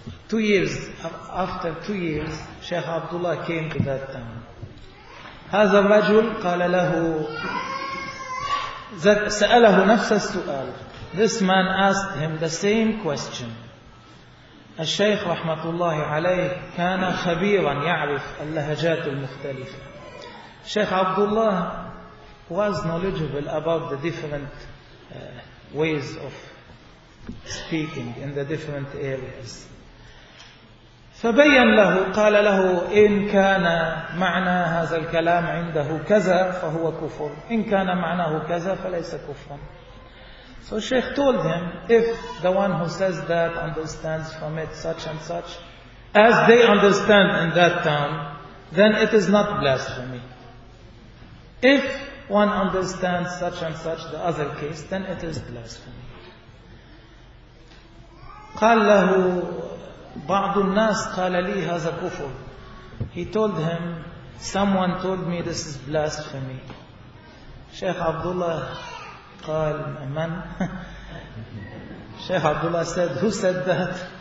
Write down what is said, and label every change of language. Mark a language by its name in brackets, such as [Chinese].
[English] After two years شيخ عبد الله came to that town. [Arabic] هذا الرجل قال له سأله نفس السؤال. [English] This man asked him the same question. [Arabic] الشيخ رحمة الله عليه كان خبيرا يعرف اللهجات المختلفة. [English] شيخ عبد الله was knowledgeable about the different ways of speaking in the different areas. [Arabic] فبين له قال له إن كان معنى هذا الكلام عنده كذا فهو كفر إن كان معناه كذا فليس كفرا. [English] So Sheikh told him, if the one who says that understands from it such and such as they understand in that town, then it is not blasphemy. If one understands such and such the other case, then it is blasphemy. [Arabic] قال له بعض الناس قال لي هذا كفر. [English] He told him, someone told me this is blasphemy. Sheikh Abdullah [Arabic] قال من؟ [English] Sheikh Abdullah said, who said that?